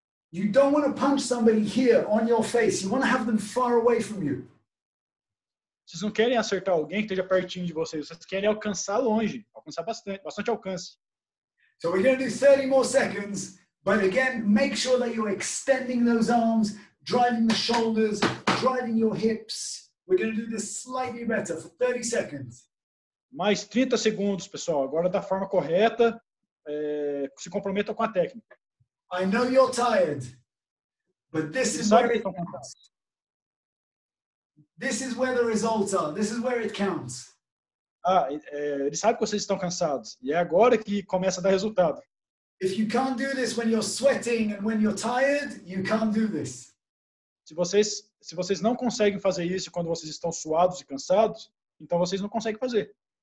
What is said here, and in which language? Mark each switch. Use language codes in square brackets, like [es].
[en] You don't want to punch somebody here on your face. You want to have them far away from you. [pt] Vocês não querem acertar alguém que esteja pertinho de vocês. Vocês querem alcançar longe, alcançar bastante, bastante alcance. [en] So we're going to do 30 more seconds, but again, make sure that you're extending those arms, driving the shoulders, driving your hips. We're going to do this slightly better for 30 seconds. [pt] Mais 30 segundos, pessoal. Agora da forma correta, se comprometam com a técnica. [en] I know you're tired, but this is where it counts. This is where the results are. This is where it counts. [pt] Ele sabe que vocês estão cansados. E é agora que começa a dar resultado. [en] If you can't do this when you're sweating and when you're tired, you can't do this. [pt] Se vocês não conseguem fazer isso quando vocês estão suados e cansados, então vocês não conseguem fazer.